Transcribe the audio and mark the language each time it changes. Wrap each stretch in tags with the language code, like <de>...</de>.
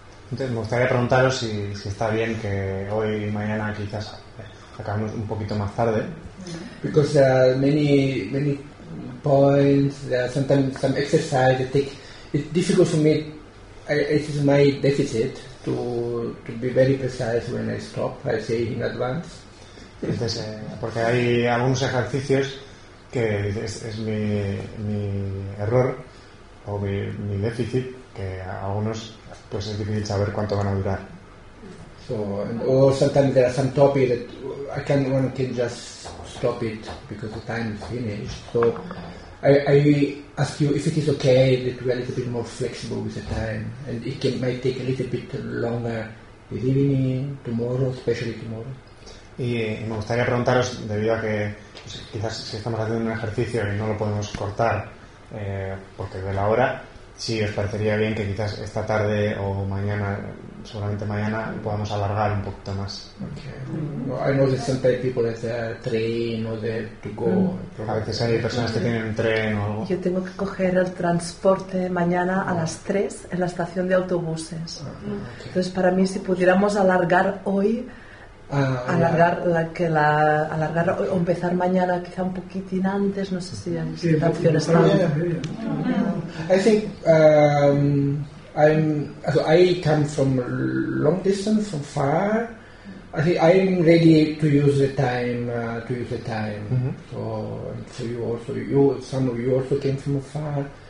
<es>Entonces, me gustaría preguntaros si, si está bien que hoy y mañana quizás acabemos un poquito más tarde.</es> <en>Because there are many points, there are sometimes some exercise that take. It's difficult for me. It is my deficit to be very precise when I stop. I say in advance.</en> <es>Entonces, porque hay algunos ejercicios que es mi error o mi déficit, que algunos pues es difícil saber cuánto van a durar.</es> <en>So, or sometimes there are some topics that one can just stop it because the time is finished. So I ask you if it is okay that we are a little bit more flexible with the time, and it can might take a little bit longer this evening, tomorrow, especially tomorrow.</en> <es>Y me gustaría preguntaros, debido a que pues, quizás si estamos haciendo un ejercicio y no lo podemos cortar porque de la hora, si os parecería bien que quizás esta tarde o mañana, seguramente mañana, podamos alargar un poquito más.</es> <en>Okay. Well, I know that sometimes people have a train or they have to go.</en> <es>A veces hay personas que tienen un tren o algo. Yo tengo que coger el transporte mañana a las 3 en la estación de autobuses. Okay. Entonces, para mí, si pudiéramos alargar hoy. Alargar o empezar mañana quizá un poquitín antes, no sé si la opción está.</es> <en>I think I come from long distance, from far. I think I'm ready to use the time mm-hmm. So you also some of you also came from far.</en>